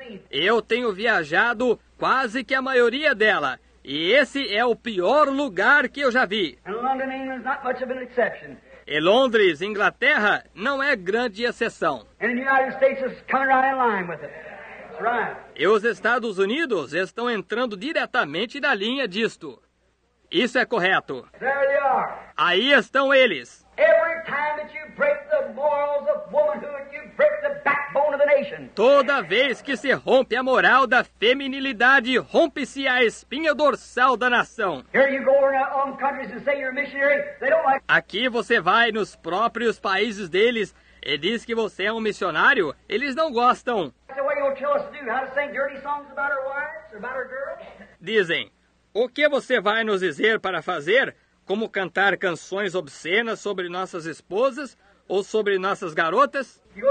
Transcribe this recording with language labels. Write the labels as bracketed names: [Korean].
[Portuguese] Eu tenho viajado quase que a maioria dela, e esse é o pior lugar que eu já vi. [English] London, England, not much of an exception. [Portuguese] E Londres, Inglaterra, não é grande exceção. [English] And the United States is coming right in line with it. That's right. [Portuguese] E os Estados Unidos estão entrando diretamente na linha disto. Isso é correto. [English] There they are. [Portuguese] Aí estão eles. [English] Every time that you break the morals of womanhood, you break the backbone of the nation. [Portuguese] Toda vez que se rompe a moral da feminilidade, rompe-se a espinha dorsal da nação. [English] Here you go in your own countries and say you're a missionary. They don't like. [Portuguese] Aqui você vai nos próprios países deles e diz que você é um missionário. Eles não gostam. [English] So what are you going to tell us to do? How to sing dirty songs about our wives or about our girls? [Portuguese] Dizem. O que você vai nos dizer para fazer? Como cantar canções obscenas sobre nossas esposas ou sobre nossas garotas?